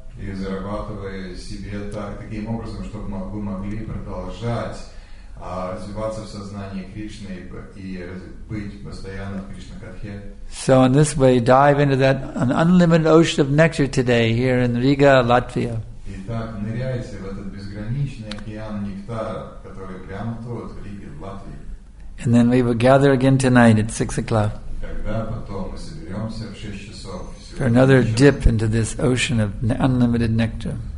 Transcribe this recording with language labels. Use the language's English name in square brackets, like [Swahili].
[Russian] И зарабатывая себе таким образом, чтобы вы могли продолжать развиваться в сознании Кришны и быть постоянно в Кришна-катхе. [English] So in this way, dive into that an unlimited ocean of nectar today here in Riga, Latvia. [Russian] Итак, ныряйте в этот безграничный океан нектара, который прямо тут, в Риге, в Латвии. [English] And then we will gather again tonight at 6 o'clock. [Russian] Когда потом мы соберемся в 6 часов. [English] For another dip into this ocean of unlimited nectar.